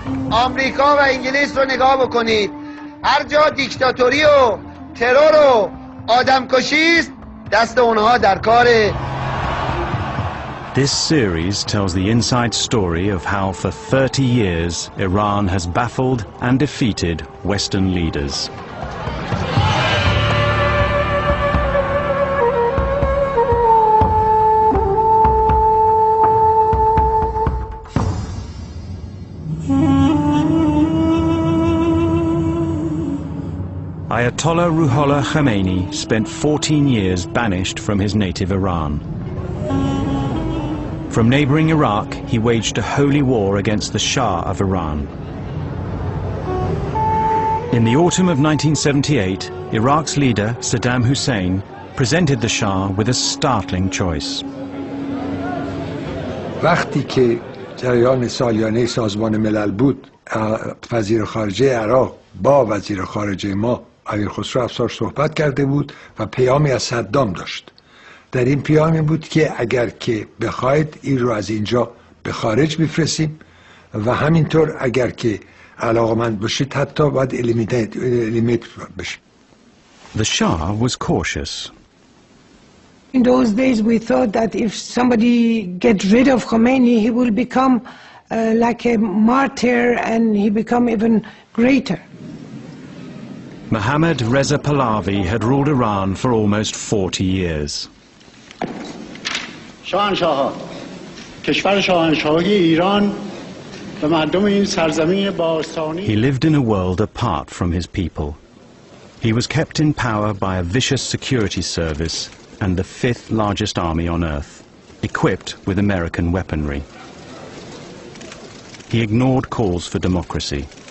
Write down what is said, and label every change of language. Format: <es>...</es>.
<fa>آمریکا و انگلیس رو نگاه بکنید. هر جا دیکتاتوری و ترور و آدمکشی است، دست اونها در کاره.</fa> <en>This series tells the inside story of how for 30 years Iran has baffled and defeated Western leaders. Ayatollah Ruhollah Khomeini spent 14 years banished from his native Iran. From neighboring Iraq, he waged a holy war against the Shah of Iran. In the autumn of 1978, Iraq's leader, Saddam Hussein, presented the Shah with a startling choice.</en> <fa>وقتی که جریان سالیانه سازمان ملل بود، وزیر خارجه عراق با وزیر خارجه ما امیر خسرو افسار صحبت کرده بود و پیامی از صدام داشت. در این پیامی بود که اگر که بخواید این رو از اینجا به خارج بفرستیم و همینطور اگر که علاقمند باشید حتی باید الیمیت بشید.</fa> <en>The Shah was cautious. In those days we thought that if somebody get rid of Khomeini he will become like a martyr and he become even greater. Mohammad Reza Pahlavi had ruled Iran for almost 40 years.</en> <fa>شاهنشاه کشور شاهنشاهی ایران به مردم این سرزمین باستانی.</fa> <en>He lived in a world apart from his people. He was kept in power by a vicious security service and the fifth largest army on earth, equipped with American weaponry. He ignored calls for democracy.</en>